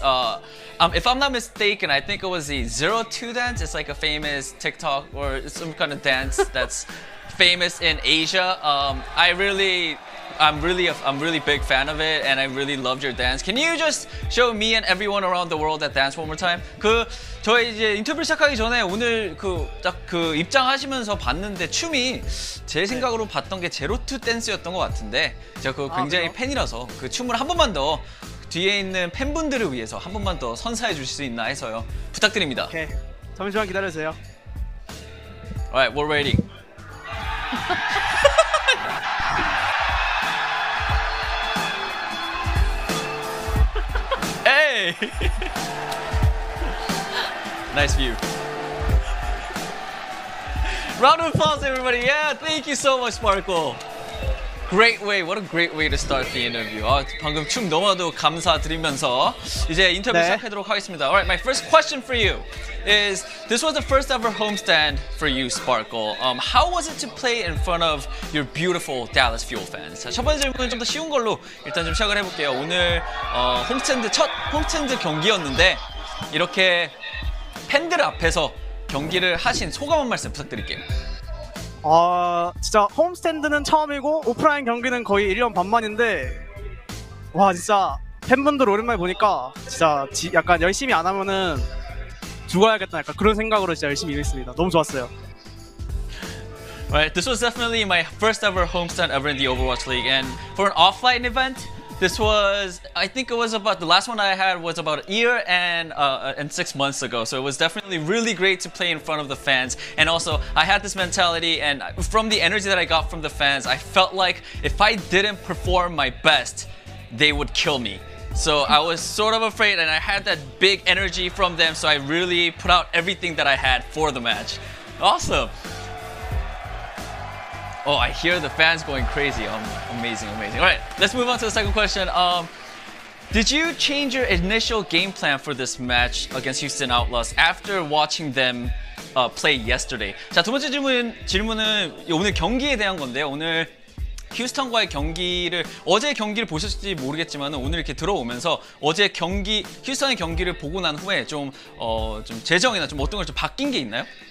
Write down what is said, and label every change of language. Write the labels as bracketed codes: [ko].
[en] If I'm not mistaken, I think it was the 02 dance. It's like a famous TikTok or some kind of dance that's famous in Asia. I'm really a big fan of it, and I really loved your dance. Can you just show me and everyone around the world that dance one more time? [ko] 그 저희 이제 인터뷰 시작하기 전에 오늘 그 딱 그 입장하시면서 봤는데 춤이 제 생각으로 봤던 게 제로투 댄스였던 것 같은데 제가 그 굉장히 팬이라서 그 춤을 한 번만 더 뒤에 있는 팬분들을 위해서 한 번만 더 선사해 주실 수 있나 해서요. 부탁드립니다. 오케이. 잠시만 기다려주세요. [en] Alright, we're waiting. Nice view. Round of applause, everybody. Yeah, thank you so much, Sparkle. Great way. What a great way to start the interview. [ko] 아, 방금 춤 너무나도 감사드리면서 이제 인터뷰 네. 시작하도록 하겠습니다. [en] All right, my first question for you is, this was the first ever homestand for you, Sparkle. How was it to play in front of your beautiful Dallas Fuel fans? [ko] 자, 첫 번째 질문은 좀 더 쉬운 걸로 일단 좀 시작을 해볼게요. 오늘 홈스탠드 첫 홈스탠드 경기였는데 이렇게 팬들 앞에서 경기를 하신 소감 한 말씀 부탁드릴게요. 진짜 홈스탠드는 처음이고 오프라인 경기는 거의 1년 반 만인데 와 진짜 팬분들 오랜만에 보니까 진짜 약간 열심히 안 하면은 죽어야겠다 약간 그런 생각으로 진짜 열심히 일했습니다. 너무 좋았어요. [en] Right, this was definitely my first ever homestand ever in the Overwatch League, and for an offline event, this was, I think it was about, the last one I had was about a year and 6 months ago. So it was definitely really great to play in front of the fans. And also, I had this mentality, and from the energy that I got from the fans, I felt like if I didn't perform my best, they would kill me. So I was sort of afraid, and I had that big energy from them, so I really put out everything that I had for the match. Awesome. Oh, I hear the fans going crazy. Amazing, amazing. All right, let's move on to the second question. Did you change your initial game plan for this match against Houston Outlaws after watching them play yesterday? [ko] 자, 두 번째 질문은 오늘 경기에 대한 건데요. 오늘 휴스턴과의 경기를 어제 경기를 보셨을지 모르겠지만 오늘 이렇게 들어오면서 어제 경기 휴스턴의 경기를 보고 난 후에 좀 좀 재정이나 좀 어떤 걸 좀 바뀐 게 있나요?